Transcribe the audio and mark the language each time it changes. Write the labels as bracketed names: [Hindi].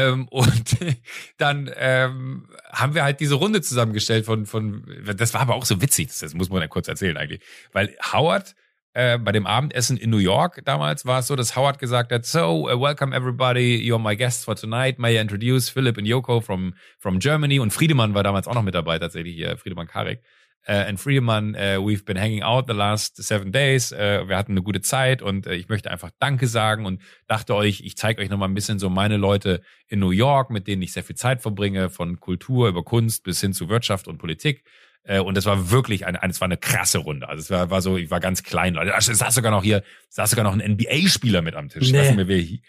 [German] Und dann haben wir halt diese Runde zusammengestellt von das war aber auch so witzig, das muss man ja kurz erzählen eigentlich, weil Howard bei dem Abendessen in New York damals war es so, dass Howard gesagt hat, so [English] welcome everybody, you're my guests for tonight, may I introduce Philipp and Yoko from Germany, [German] und Friedemann war damals auch noch mit dabei tatsächlich, hier Friedemann Karik. [English] And Friedemann, we've been hanging out the last 7 days. [German] Wir hatten eine gute Zeit und ich möchte einfach Danke sagen und dachte euch, ich zeige euch nochmal ein bisschen so meine Leute in New York, mit denen ich sehr viel Zeit verbringe, von Kultur über Kunst bis hin zu Wirtschaft und Politik. Und das war wirklich eine krasse Runde. Also es war so, ich war ganz klein. Leute, es saß sogar noch ein NBA-Spieler mit am Tisch. Nee.